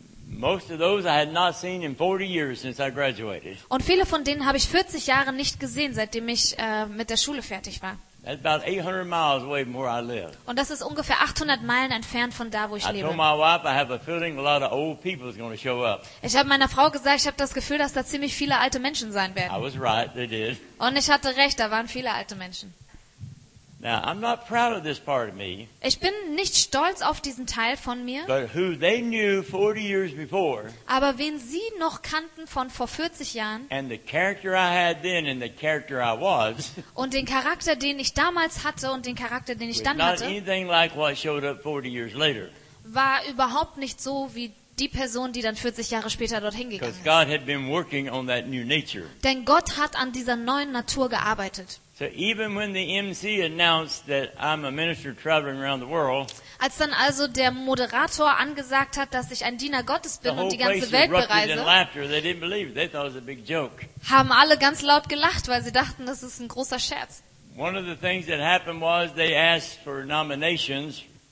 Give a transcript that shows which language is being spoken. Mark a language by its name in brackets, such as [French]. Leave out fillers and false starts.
[English] Most of those I had not seen in 40 years since I graduated. [German] Und viele von denen habe ich 40 Jahre nicht gesehen, seitdem ich mit der Schule fertig war. [English] That's about 800 miles away from where I live. [German] Und das ist ungefähr 800 Meilen entfernt von da, wo ich lebe. [English] I told my wife I have a feeling a lot of old people is going to show up. [German] Ich habe meiner Frau gesagt, ich habe das Gefühl, dass da ziemlich viele alte Menschen sein werden. [English] I was right, they did. [German] Und ich hatte recht, da waren viele alte Menschen. [English] Now, I'm not proud of this part of me. [German] Ich bin nicht stolz auf diesen Teil von mir. [English] But who they knew 40 years before. [German] Aber wen sie noch kannten von vor 40 Jahren. [English] And the character I had then and the character I was. [German] Und den Charakter, den ich damals hatte und den Charakter, den ich dann hatte. [English] Not anything like what showed up 40 years later. [German] War überhaupt nicht so wie die Person, die dann 40 Jahre später dorthin gegangen ist. [English] God had been working on that new nature. [German] Denn Gott hat an dieser neuen Natur gearbeitet. [English] So even when the MC announced that I'm a minister traveling around the world, [German] als dann also der Moderator angesagt hat, dass ich ein Diener Gottes bin und die ganze Welt bereise, haben alle ganz laut gelacht, weil sie dachten, das ist ein großer Scherz. [English] One of the things that happened was they asked for nominations